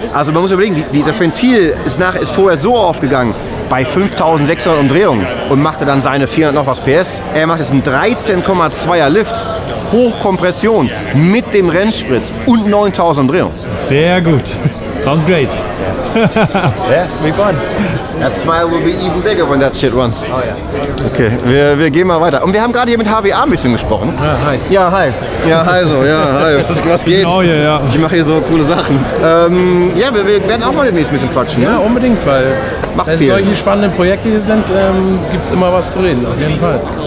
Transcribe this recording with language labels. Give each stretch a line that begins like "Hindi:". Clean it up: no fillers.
German: Ja, also man muss überlegen, das Ventil ist vorher so aufgegangen bei 5600 Umdrehungen und machte dann seine 400 noch was PS. Er macht jetzt einen 13,2er Lift, Hochkompression mit dem Rennsprit und 9000 Umdrehungen. Sehr gut.
English: Sounds great. Yeah, it'll be fun. That smile will be even bigger when that shit runs. Oh yeah.
German: Okay, wir gehen mal weiter. Und wir haben gerade hier mit HWA ein bisschen gesprochen. Ja, hi. Ja, hi. Ja, hi so. Ja, hi. Was geht's? Genau, ja. Ich mache hier so coole Sachen. Ja, wir werden auch mal demnächst ein bisschen quatschen. Ja, unbedingt, weil wenn solche spannenden Projekte hier sind, gibt es immer was zu reden, auf jeden Fall.